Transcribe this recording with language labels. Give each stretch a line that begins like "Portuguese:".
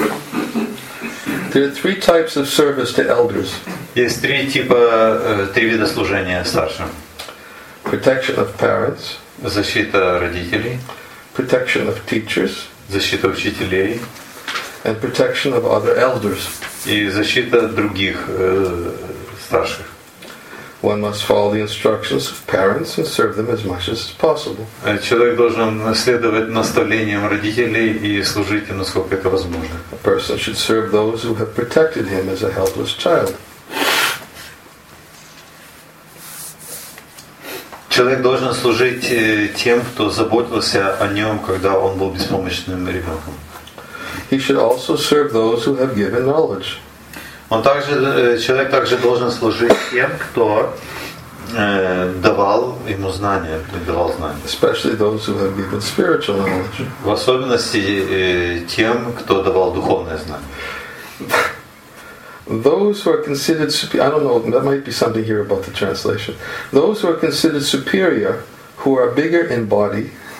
English: There are three types of service to elders.
Russian: Есть три типа, три вида служения старшим.
English: Protection of parents.
Russian: Защита родителей.
English: Protection of teachers.
Russian: Защита учителей.
English: And protection of other elders.
Russian: И защита других старших.
English: One must follow the instructions of parents and serve them as much as possible.
Russian: Человек должен следовать наставлениям родителей и служить им, насколько это возможно.
English: A person should serve those who have protected him as a helpless child.
Russian: Человек должен служить тем, кто заботился о нем, когда он был беспомощным ребенком.
English: he should also serve those who have given knowledge.
Russian: Он также человек также должен служить тем, кто давал ему знания, давал знания.
English: Especially those who have given spiritual knowledge.
Russian: В особенности тем, кто давал духовное знание.
English: Those who are considered superior, I don't know, that might be something here about the translation. Those who are considered superior, who are bigger in body.